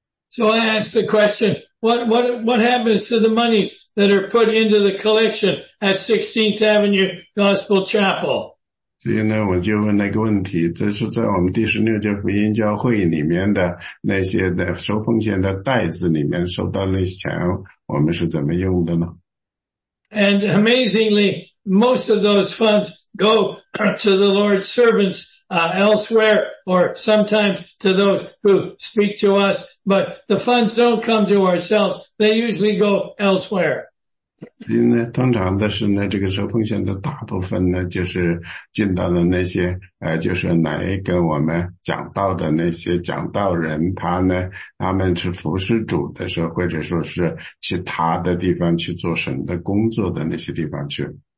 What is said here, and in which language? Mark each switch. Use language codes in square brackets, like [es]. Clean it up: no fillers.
[en] So I ask the question, what happens to the monies that are put into the collection at 16th Avenue Gospel Chapel? [zh] 所以呢，我就问那个问题，这是在我们第十六届福音教会里面的那些的收奉献的袋子里面收到那些钱，我们是怎么用的呢 [en] ？And amazingly, most of those funds go to the Lord's servants, elsewhere, or sometimes to those who speak to us. But the funds don't come to ourselves; they usually go elsewhere. [zh] 因为通常的是呢，这个受奉献的大部分呢，就是进到了那些就是来跟我们讲道的那些讲道人，他呢，他们是服侍主的时候，或者说是其他的地方去做神的工作的那些地方去。